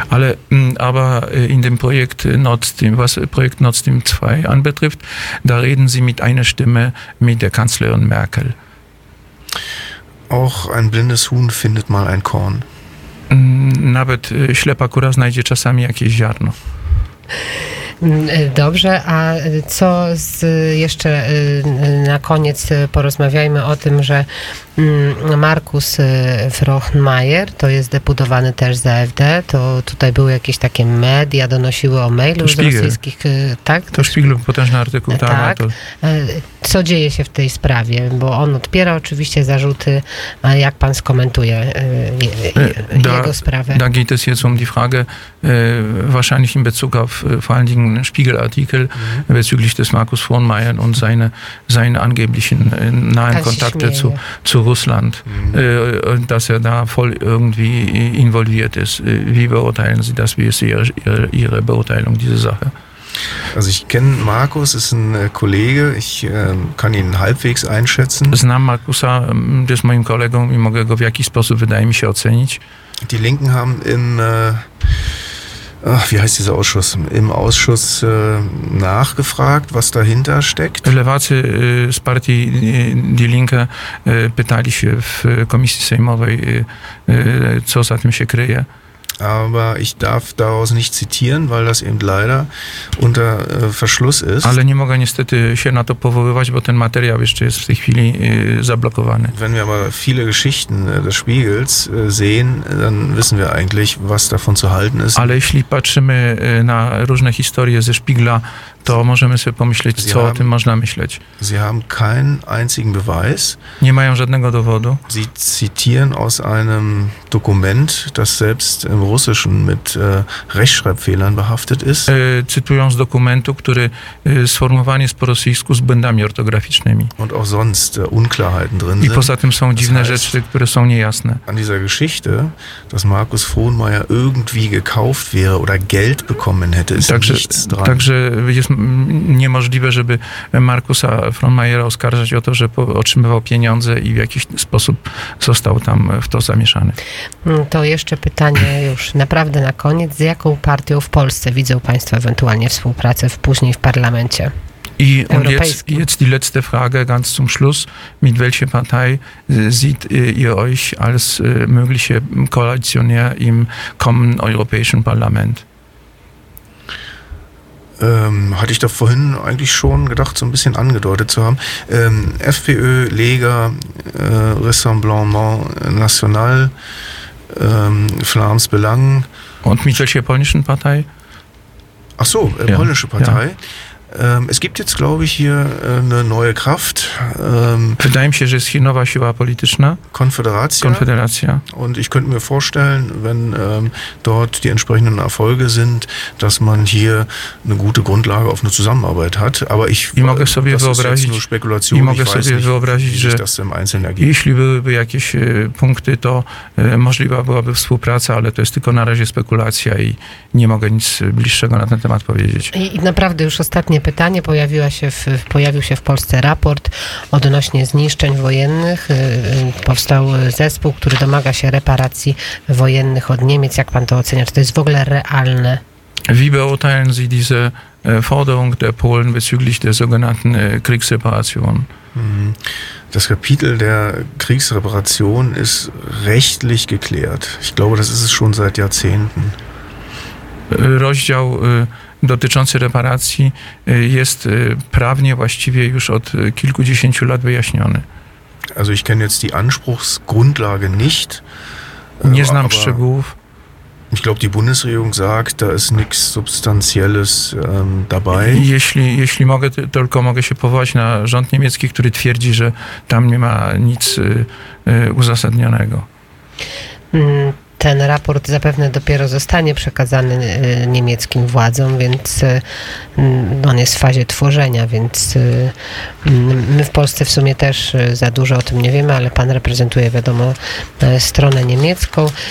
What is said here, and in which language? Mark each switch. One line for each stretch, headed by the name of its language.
Polish: Ale
German: aber in dem Projekt Nord Stream, was Projekt Nord Stream 2 anbetrifft, da reden sie mit einer Stimme mit der Kanzlerin Merkel. Auch ein blindes Huhn findet mal ein Korn.
Polish: Nawet ślepa kura znajdzie czasami jakieś ziarno. Dobrze, a co z, jeszcze na koniec porozmawiajmy o tym, że Markus Frochmeier to jest deputowany też z AfD, to tutaj były jakieś takie media, donosiły o mailu z rosyjskich, tak? To Szpigl, potężny artykuł. Tak. Co dzieje się w tej sprawie? Bo on odpiera oczywiście zarzuty, a jak pan skomentuje jego sprawę?
German: Da geht es jetzt um die Frage, wahrscheinlich in Bezug auf vor allen Dingen Spiegelartikel bezüglich des Markus Frochmeier und seine angeblichen nahen Kontakte zu Russland, dass er da voll irgendwie involviert ist. Wie beurteilen Sie das? Wie ist Ihre Beurteilung dieser Sache? Also ich kenne Markus, ist ein Kollege, ich kann ihn halbwegs einschätzen.
Polish: Znam Markusa, jest moim kolegą i mogę go w jakiś sposób, wydaje mi się, ocenić.
German: Die Linken haben in, wie heißt dieser Ausschuss, im Ausschuss nachgefragt, was dahinter steckt.
Polish: Lewacy z partii Die Linke pytali się w komisji sejmowej, co za tym się kryje.
German: Aber ich darf daraus nicht zitieren, weil das eben leider unter Verschluss ist.
Polish: Ale nie mogę niestety się na to powoływać, bo ten materiał jeszcze jest w tej chwili zablokowany.
German: Wenn wir aber viele Geschichten des Spiegels sehen, dann wissen wir eigentlich, was davon zu halten ist.
Polish: Ale jeśli patrzymy na różne historie ze Spiegla, to możemy sobie pomyśleć, co o tym można myśleć.
German: Sie haben keinen einzigen Beweis.
Polish: Nie mają żadnego dowodu.
German: Sie zitieren aus einem Dokument, das selbst im Russischen mit Rechtschreibfehlern behaftet ist.
Polish: Cytują z dokumentu, który sformułowany jest po rosyjsku z błędami ortograficznymi.
German: Und auch sonst Unklarheiten drin
Polish: sind. I poza tym są dziwne rzeczy, które są niejasne.
German: An dieser Geschichte, dass Markus Frohnmeier irgendwie gekauft wäre oder Geld bekommen hätte, ist
Polish: także,
German: nichts dran.
Polish: Także jest niemożliwe, żeby Markusa Frohnmeiera oskarżać o to, że otrzymywał pieniądze i w jakiś sposób został tam w to zamieszany. To jeszcze pytanie już naprawdę na koniec. Z jaką partią w Polsce widzą Państwo ewentualnie współpracę później w parlamencie europejskim? I
German: jetzt die letzte Frage ganz zum Schluss. Mit welcher Partei sieht ihr euch als mögliche Koalitionär im kommenden europäischen Parlament? Hatte ich doch vorhin eigentlich schon gedacht, so ein bisschen angedeutet zu haben. FPÖ, Lega, Rassemblement National, Flams Belang. Und mit welcher polnischen Partei? Ach so, polnische Partei. Ja. Es gibt jetzt, glaube ich, hier eine neue Kraft.
Polish: Wydaje mi się, że jest
German: hier
Polish: nowa siła polityczna. Konfederacja.
German: Und ich könnte mir vorstellen, wenn dort die entsprechenden Erfolge sind, dass man hier eine gute Grundlage auf eine Zusammenarbeit hat. Aber ich
Polish: mogę sobie wyobrazić,
German: nur Spekulation. Ich weiß
Polish: sobie
German: nicht,
Polish: wyobrazić,
German: wie sich das im Einzelnen ergibt.
Polish: Jeśli byłyby jakieś punkty, to możliwa byłaby współpraca, ale to jest tylko na razie spekulacja i nie mogę nic bliższego na ten temat powiedzieć. I naprawdę już ostatnie pytanie. Pojawił się w Polsce raport odnośnie zniszczeń wojennych. Powstał zespół, który domaga się reparacji wojennych od Niemiec. Jak pan to ocenia? Czy to jest w ogóle realne?
German: Wie beurteilen Sie diese Forderung der Polen bezüglich der sogenannten Kriegsreparation? Das Kapitel der Kriegsreparation ist rechtlich geklärt. Ich glaube, das ist es schon seit Jahrzehnten.
Polish: Rozdział dotyczący reparacji jest prawnie właściwie już od kilkudziesięciu lat wyjaśniony.
German: Also ich kenne jetzt die Anspruchsgrundlage nicht.
Polish: Nie znam szczegółów.
German: Ich glaube, die Bundesregierung sagt, da ist nichts Substanzielles dabei.
Polish: Jeśli mogę, tylko mogę się powołać na rząd niemiecki, który twierdzi, że tam nie ma nic uzasadnionego. Ten raport zapewne dopiero zostanie przekazany niemieckim władzom, więc on jest w fazie tworzenia, więc my w Polsce w sumie też za dużo o tym nie wiemy, ale pan reprezentuje, wiadomo, stronę niemiecką.